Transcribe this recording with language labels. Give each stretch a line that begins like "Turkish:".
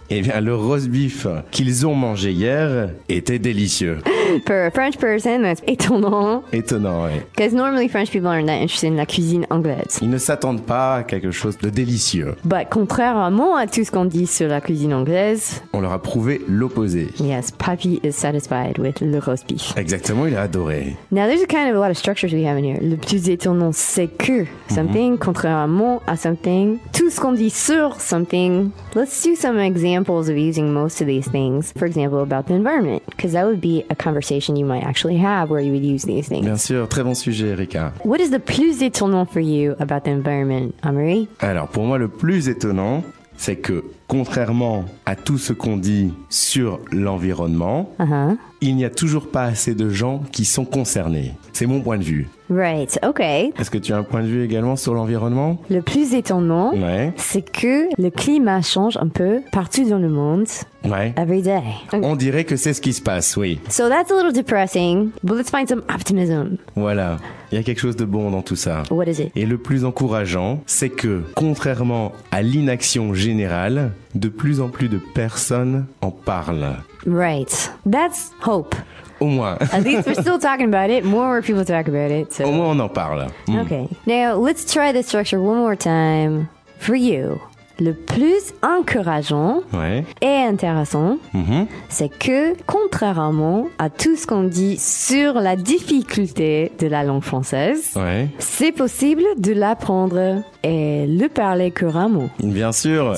French: Eh bien, le roast beef qu'ils ont mangé hier était délicieux.
English: For a French person, that's étonnant.
French: Étonnant, oui.
English: Because normally French people aren't that interested in
French: la cuisine anglaise. Ils ne s'attendent pas à quelque chose de délicieux. But contrairement à tout ce qu'on dit sur la cuisine anglaise... On leur a prouvé l'opposé.
English: Yes, Papy is satisfied with le roast beef.
French: Exactement, il a adoré.
English: Now, there's a kind of a lot of structures we have in here.
French: Le plus étonnant, c'est que something, contrairement à something. Tout ce qu'on dit sur something.
English: Let's do some examples of using most of these things. For example, about the environment. Because that would be a conversation you might actually have where you would use these things.
French: Bien sûr, très bon sujet, Erika.
English: What is the
French: plus étonnant
English: for you about the environment, Amaury?
French: Alors, pour moi, le plus étonnant, c'est que contrairement à tout ce qu'on dit sur l'environnement, il n'y a toujours pas assez de gens qui sont concernés. C'est mon point de vue.
English: Right, okay.
French: Est-ce que tu as un point de vue également sur l'environnement? Le plus étonnant, c'est que le climat change un peu partout dans le monde. Ouais.
English: Every day. Okay.
French: On dirait que c'est ce qui se passe, oui.
English: So that's a little depressing, but let's find some optimism.
French: Voilà, il y a quelque chose de bon dans tout ça.
English: What is it?
French: Et le plus encourageant, c'est que contrairement à l'inaction générale, de plus en plus de personnes en parlent.
English: Right. That's hope.
French: au moins.
English: At least we're still talking about it. More and more people talk about it. So.
French: Au moins, on en parle.
English: Mm. Okay. Now, let's try the structure one more time for you.
French: Le plus encourageant et intéressant, c'est que, contrairement à tout ce qu'on dit sur la difficulté de la langue française, c'est possible de l'apprendre et le parler couramment. Bien sûr.